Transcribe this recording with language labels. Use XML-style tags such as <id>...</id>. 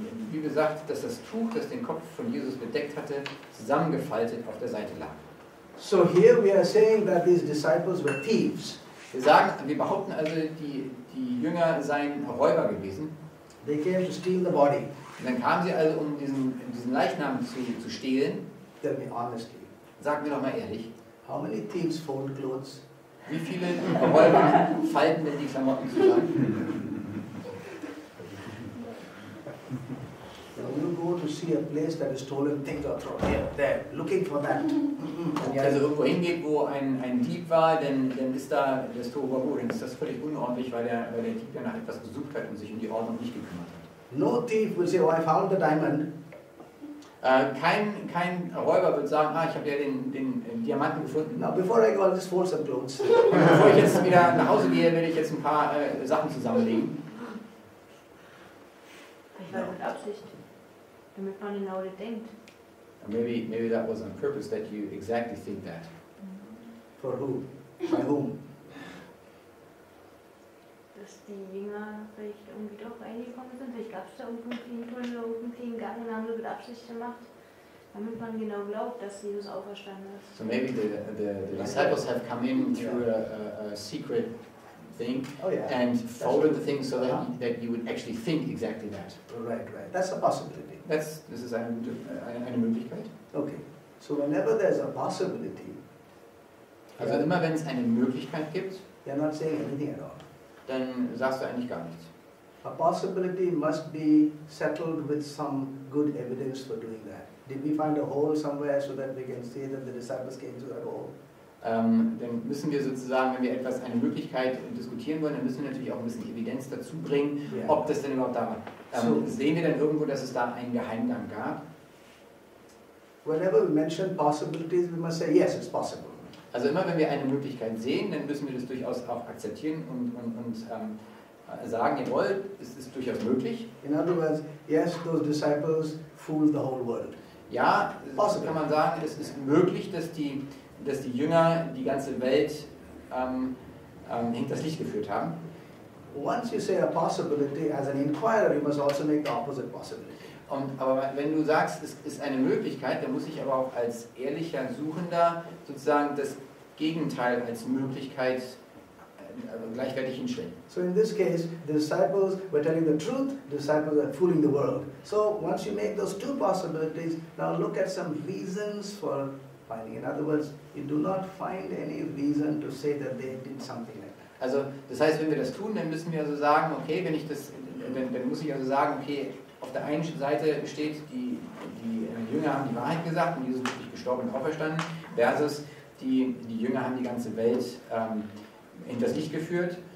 <de>Wie gesagt, dass das Tuch, das den Kopf von Jesus bedeckt hatte, zusammengefaltet auf der Seite lag.</de> <en>So here we are saying that these disciples were thieves.</en> <de>Wir behaupten also, die Jünger seien Räuber gewesen.</de> <en>They came to steal the body.</en> <de>Und dann kamen sie also, um diesen Leichnam zu stehlen.</de> <en>Tell me honestly.</en> <de>Sag mir doch mal ehrlich.</de> <en>How many thieves fold clothes?</en> <de>Wie viele Räuber falten denn die Klamotten zusammen?</de> <en>You go to see a place that is stolen, things are thrown there, looking for that.</en> <de>Wenn ihr also irgendwo hingeht, wo ein Dieb war, dann ist da das Tor war gut, dann ist das völlig unordentlich, weil der Dieb danach etwas gesucht hat und sich um die Ordnung nicht gekümmert hat.</de> <en>No thief will say, oh, I found the diamond.</en> <de>Kein Räuber wird sagen, ah, ich habe ja den Diamanten gefunden.</de> <en>Now before I go, I'll just fold some clothes.</en> <de>Bevor ich jetzt wieder nach Hause gehe, werde ich jetzt ein paar Sachen zusammenlegen. Ich war mit Absicht. Damit man genau das denkt.</de> <en>Maybe that was on purpose that you exactly think that. For who? By whom?</en> <de>Dass die Jünger vielleicht irgendwie doch reingekommen sind. Vielleicht gab es da irgendwo einen kleinen Tunnel, irgendeinen kleinen Gang und haben sie mit Absicht gemacht. Damit man genau glaubt, dass Jesus auferstanden ist.</de> <en>So maybe the disciples have come in through a secret thing and folded the thing so that you would actually think exactly that. Right. That's a possibility.</en> <de>Das ist eine Möglichkeit.</de> <en>Okay. So whenever there's a possibility.</en> <de>Also immer wenn es eine Möglichkeit gibt,</de> <en>you're not saying anything at all.</en> <de>Dann sagst du eigentlich gar nichts.</de> <en>A possibility must be settled with some good evidence for doing that. Did we find a hole somewhere so that we can see that the disciples came through that hole?</en> <de>dann müssen wir sozusagen, wenn wir etwas, eine Möglichkeit diskutieren wollen, dann müssen wir natürlich auch ein bisschen Evidenz dazu bringen, yeah. ob das denn überhaupt da war. Sehen wir dann irgendwo, dass es da einen Geheimgang gab?</de> <en>Whenever we mention possibilities, we must say, yes, it's possible.</en> <de>Also immer, wenn wir eine Möglichkeit sehen, dann müssen wir das durchaus auch akzeptieren und sagen, jawohl, es ist durchaus möglich.</de> <en>In other words, yes, those disciples fooled the whole world.</en> <de>Ja,</de> <en>possibly.</en> <de>Kann man sagen, es ist möglich, dass die Jünger die ganze Welt hinters Licht geführt haben.</de> <en>Once you say a possibility, as an inquirer, you must also make the opposite possibility.</en> <de>Aber wenn du sagst, es ist eine Möglichkeit, dann muss ich aber auch als ehrlicher Suchender sozusagen das Gegenteil als Möglichkeit gleichwertig hinstellen.</de> <en>So in this case, the disciples were telling the truth, the disciples are fooling the world. So once you make those two possibilities, now look at some reasons for finding. In other words, you do not find any reason to say that they did something like that.</en> <de>Also das heißt, wenn wir das tun, dann müssen wir also sagen, okay, wenn ich das, dann muss ich also sagen, okay, auf der einen Seite steht, die Jünger haben die Wahrheit gesagt und Jesus ist wirklich gestorben und auferstanden, versus die Jünger haben die ganze Welt hinters Licht geführt.</de>